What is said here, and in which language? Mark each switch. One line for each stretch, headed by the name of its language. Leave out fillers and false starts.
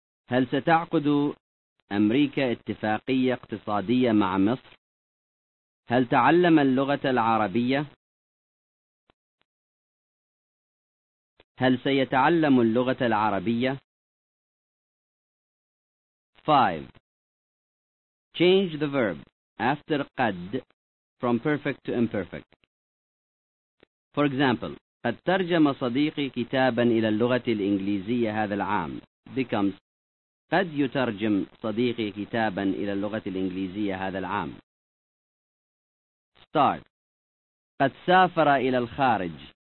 Arabic: هل ستعقد أمريكا اتفاقية اقتصادية مع مصر؟ هل تعلم اللغة العربية؟ هل سيتعلم اللغة العربية؟ 5.
English: Change the verb after قد from perfect to imperfect. For example,
Arabic: قد ترجم صديقي كتابا إلى اللغة الإنجليزية هذا العام becomes قد يترجم صديقي كتابا إلى اللغة الإنجليزية هذا العام. Start. قد سافر إلى الخارج.